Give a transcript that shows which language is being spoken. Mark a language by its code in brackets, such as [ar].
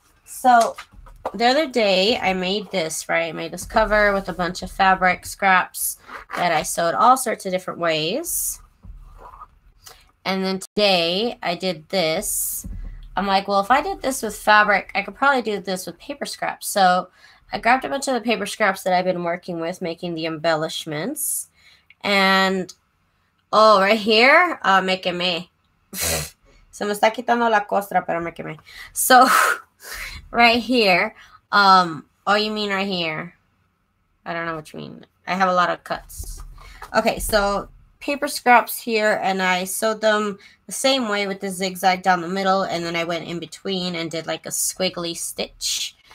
[en] So the other day I made this, right? I made this cover with a bunch of fabric scraps that I sewed all sorts of different ways. And then today I did this. I'm like, well, if I did this with fabric, I could probably do this with paper scraps. So I grabbed a bunch of the paper scraps that I've been working with, making the embellishments. And, oh, right here, [es] me quemé. Se me está quitando la costra, pero me quemé. [en] So, right here, oh, you mean right here? I don't know what you mean. I have a lot of cuts. Okay, so paper scraps here, and I sewed them the same way with the zigzag down the middle, and then I went in between and did like a squiggly stitch.